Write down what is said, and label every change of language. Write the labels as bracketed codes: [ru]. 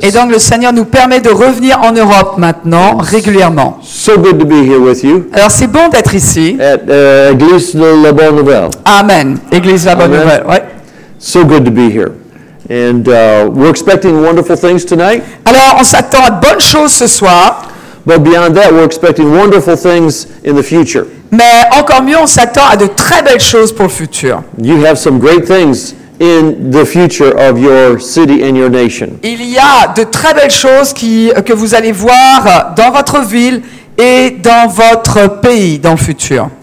[fr] Et donc le Seigneur nous permet de revenir en Europe maintenant régulièrement. [en] So good to be here with you. [fr] Alors c'est bon d'être ici. [en] At Église La Bonne Nouvelle. [fr] Amen. Église La Bonne Nouvelle. Ouais. [en] So good to be here. And we're expecting wonderful things tonight. [fr] Alors on s'attend à de bonnes choses ce soir. [en] But beyond that, we're expecting wonderful things in the future. [fr] Mais encore mieux, on s'attend à de très belles choses pour le futur. [en] You have some great things in the future of your city and your nation. [fr] Il y a de très belles choses que vous allez voir dans votre ville et dans votre pays dans le futur.